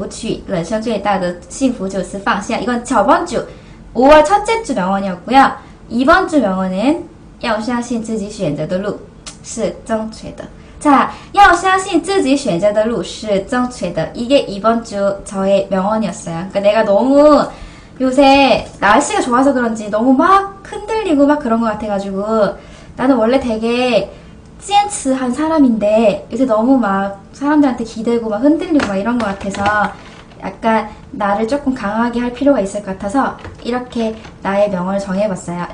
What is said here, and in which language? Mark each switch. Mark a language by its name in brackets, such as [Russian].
[Chinese] 人生没有什么过不去，只有回不去。人生最大的幸福就是放下。 [Korean] 이건 저번 주 5월 첫째 주 명언이었고요. 이번 주 명언은 [Chinese] 要相信自己选择的路是正确的。 자, 要相信自己选择的路是正确的。 [Korean] 이게 이번 주 저의 명언이었어요. 그러니까 내가 너무 요새 날씨가 좋아서 그런지 너무 막 흔들리고 막 그런 것 같아가지고 나는 원래 되게 센스한 사람인데 요새 너무 막 사람들한테 기대고 막 흔들리고 막 이런 것 같아서 약간 나를 조금 강하게 할 필요가 있을 것 같아서 이렇게 나의 명언을 정해봤어요.